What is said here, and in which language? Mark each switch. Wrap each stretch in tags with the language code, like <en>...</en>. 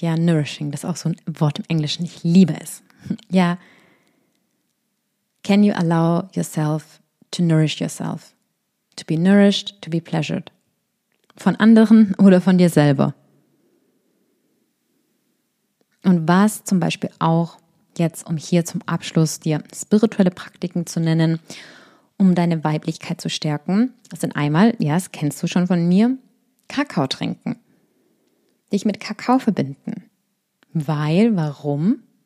<de>Ja, nourishing, das ist auch so ein Wort im Englischen. Ich liebe es.</de> <en>Ja, can you allow yourself to nourish yourself, to be nourished, to be pleasured.</en> <de>Von anderen oder von dir selber. Und was zum Beispiel auch jetzt, um hier zum Abschluss dir spirituelle Praktiken zu nennen, um deine Weiblichkeit zu stärken, sind einmal, ja, das kennst du schon von mir, Kakao trinken. Dich mit Kakao verbinden. Warum?</de>